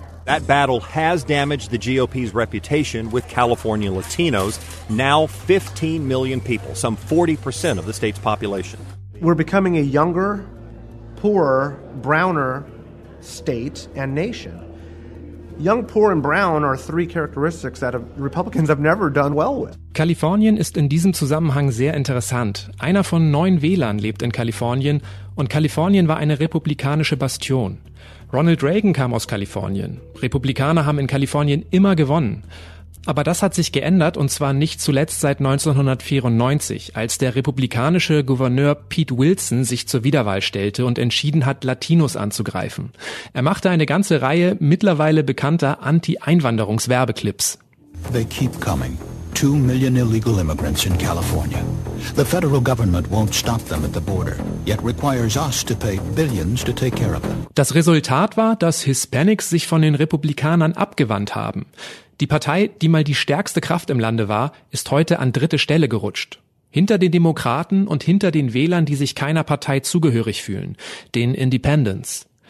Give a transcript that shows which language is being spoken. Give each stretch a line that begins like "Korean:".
English: That battle has damaged the GOP's reputation with California Latinos, now 15 million people, some 40% of the state's population. We're becoming a younger, poorer, browner state and nation. Young, poor and brown are three characteristics that Republicans have never done well with.
German: Kalifornien ist in diesem Zusammenhang sehr interessant. Einer von 9 Wählern lebt in Kalifornien und Kalifornien war eine republikanische Bastion. Ronald Reagan kam aus Kalifornien. Republikaner haben in Kalifornien immer gewonnen. Aber das hat sich geändert und zwar nicht zuletzt seit 1994, als der republikanische Gouverneur Pete Wilson sich zur Wiederwahl stellte und entschieden hat, Latinos anzugreifen. Er machte eine ganze Reihe mittlerweile bekannter Anti-Einwanderungs-Werbeclips.
English: They keep coming. 2 million illegal immigrants in California. The federal government won't stop them at the border, yet requires us to pay billions to take care of them.
German: Das Resultat war, dass Hispanics sich von den Republikanern abgewandt haben. Die Partei, die mal die stärkste Kraft im Lande war, ist heute an dritte Stelle gerutscht. Hinter den Demokraten und hinter den Wählern, die sich keiner Partei zugehörig fühlen, den Independents.